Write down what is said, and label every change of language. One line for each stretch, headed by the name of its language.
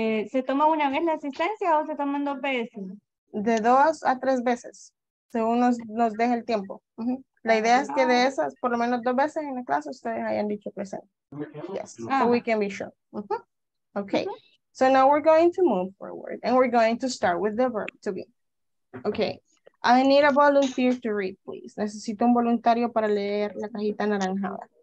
Spanish: ¿Se toma una vez la asistencia o se toman dos veces? De dos a tres veces. Según nos deja el tiempo. La idea es que de esas, por lo menos dos veces en la clase, ustedes hayan dicho presente.
English: Yes, so we can be sure. Okay, so now we're going to move forward and we're going to start with the verb to be. Okay, I need a volunteer to read, please.
Spanish: Necesito un voluntario para leer la cajita anaranjada.